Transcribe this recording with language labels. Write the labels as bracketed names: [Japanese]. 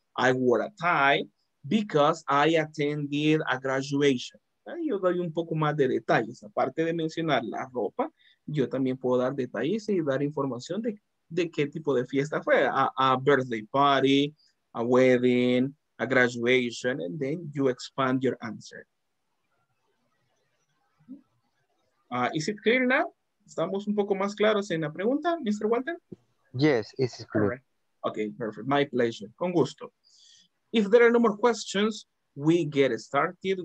[English] I wore a tie because I attended a graduation. [Spanish] Yo doy un poco más de detalles. Aparte de mencionar la ropa, yo también puedo dar detalles y dar información de qué tipo de fiesta fue. [English] A birthday party, a wedding, a graduation, and then you expand your answer. Is it clear now? [Spanish] ¿Estamos un poco más claros en la pregunta, Mr. Walter? [English] Yes, it's clear. Right. Okay, perfect. My pleasure. [Spanish] Con gusto. [English] If there are no more questions, we get started.